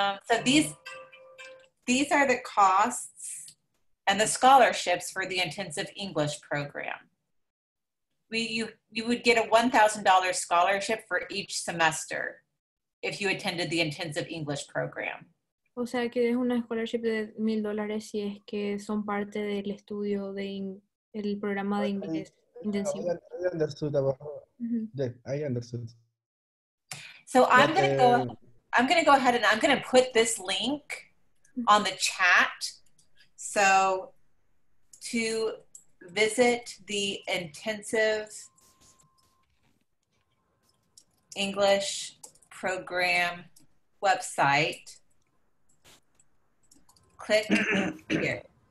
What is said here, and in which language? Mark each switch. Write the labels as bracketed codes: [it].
[en] So these are the costs and the scholarships for the intensive English program. You would get a $1,000 scholarship for each semester if you attended the intensive English program. [es] O sea, que es una scholarship de $1,000 si es que son parte del estudio de el programa de inglés intensivo. [en] I understood about, mm-hmm. Yeah, I understood. So I'm gonna go ahead and I'm gonna put this link on the chat. So to visit the intensive English program website, click here.